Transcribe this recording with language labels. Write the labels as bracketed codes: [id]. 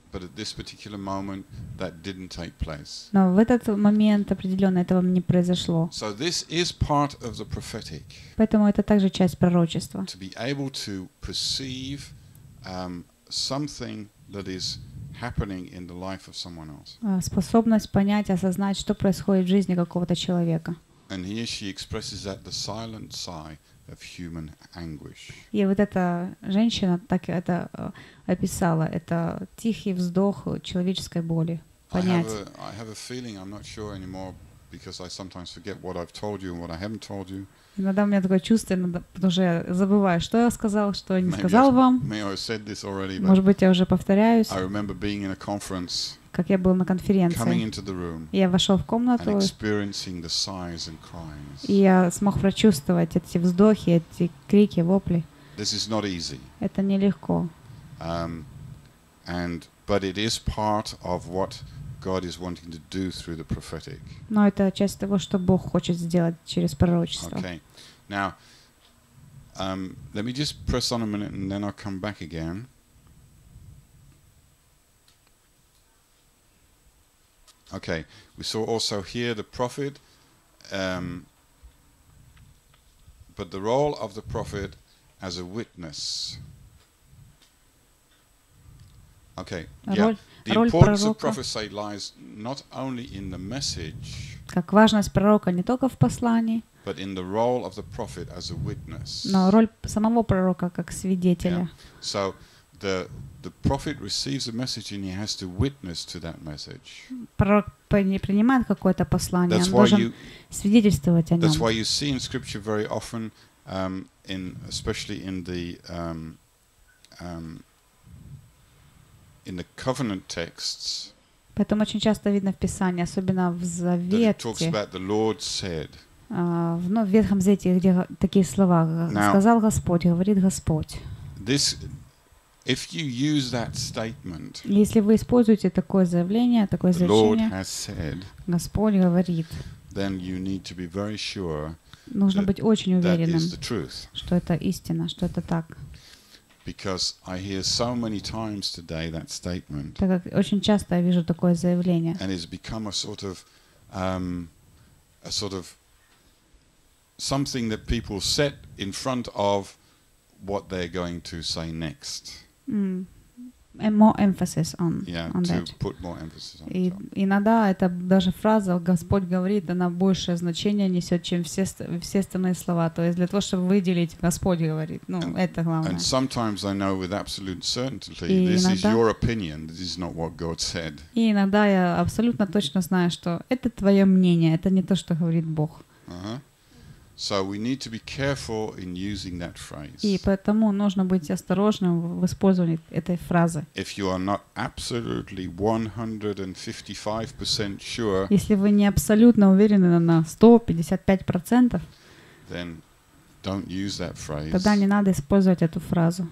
[en] But at this particular moment, that didn't take place. [ru] Но в этот момент определенно этого не произошло. [en] So this is part of the prophetic. [ru] Поэтому это также часть пророчества. [en] To be able to perceive something that is happening in the life of someone else. [ru] Способность понять, осознать, что происходит в жизни какого-то человека. [en] And here she expresses that the silent sigh of human anguish. [ru] И вот эта женщина так это описала, это тихий вздох человеческой боли. Понять. [en] I have a feeling, I'm not sure anymore, because I sometimes forget what I've told you and what I haven't told you. [ru] Иногда у меня такое чувство, потому что я забываю, что я сказал, что я не сказал вам. [en] Already, [ru] может быть, я уже повторяюсь. [en] I remember being in a conference, [ru] как я был на конференции. [en] Coming into the room, [ru] я вошел в комнату. [en] And experiencing the sighs and crying. [ru] И я смог прочувствовать эти вздохи, эти крики, вопли. [en] This is not easy. [ru] Это нелегко. [en] But it is part of what God is wanting to do through the prophetic. [ru] Но это часть того, что Бог хочет сделать через пророчество. [en] Okay. Now, let me just press on a minute and then I'll come back again. Okay. We saw also here the prophet, but the role of the prophet as a witness. Okay. Yeah. [ru] Роль [en] importance [ru] пророка, [en] of prophecy lies not only in the message. [ru] Как важность пророка не только в послании. [en] But in the role of the prophet as a witness. [ru] Но роль самого пророка как свидетеля. [en] Yeah. So the prophet receives a message and he has to witness to that message. [ru] Пророк принимает какое-то послание, он должен свидетельствовать о нем. [en] That's why you see in scripture very often especially in the covenant texts. [ru] Поэтому очень часто видно в Писании, особенно в Завете. [en] That it talks about the Lord said. [ru] В Ветхом Завете, где такие слова: сказал Господь, говорит Господь. [en] This, if you use that statement. [ru] Если вы используете такое заявление, такое [en] the [ru] изречение. [en] Lord has said. [ru] Господь говорит. [en] Then you need to be very sure. [ru] Нужно быть очень уверенным, [en] that is the truth. [ru] Что это истина, что это так. [en] Because I hear so many times today that statement. [ru] Так как очень часто я вижу такое заявление. [en] And it's become a sort of something that people set in front of what they're going to say next. And more emphasis on. Yeah, on to that. Put more emphasis on. [ru] И [en] that. [ru] Иногда это даже фраза «Господь говорит», она большее значение несет, чем все остальные слова. То есть для того, чтобы выделить «Господь говорит», это главное. [en] And sometimes I know with absolute certainty this is your opinion. This is not what God said. [ru] И иногда я абсолютно точно знаю, что это твое мнение, это не то, что говорит Бог. Uh-huh. [en] So we need to be careful in using that phrase. [ru] И поэтому нужно быть осторожным в использовании этой фразы. [en] If you are not absolutely 155% sure. [ru] Если вы не абсолютно уверены на 155%, [en] then don't use that phrase. [ru] Тогда не надо использовать эту фразу.